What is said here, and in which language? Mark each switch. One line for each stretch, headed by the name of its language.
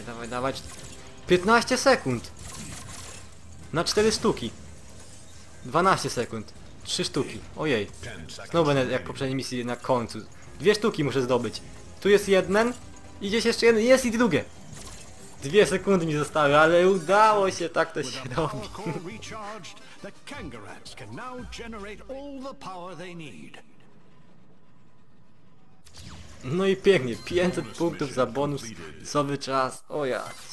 Polish: Dawaj. 15 sekund! Na 4 sztuki. 12 sekund. 3 sztuki. Ojej. Znowu będę jak poprzedniej misji na końcu. 2 sztuki muszę zdobyć. Tu jest jeden. Idzie jeszcze jeden. Jest i drugie. 2 sekundy mi zostały, ale udało się, tak to się robi.
English: The Kangarats can now generate all the power they need.
Polish: No i pięknie, 500 punktów za bonusowy czas. O ja.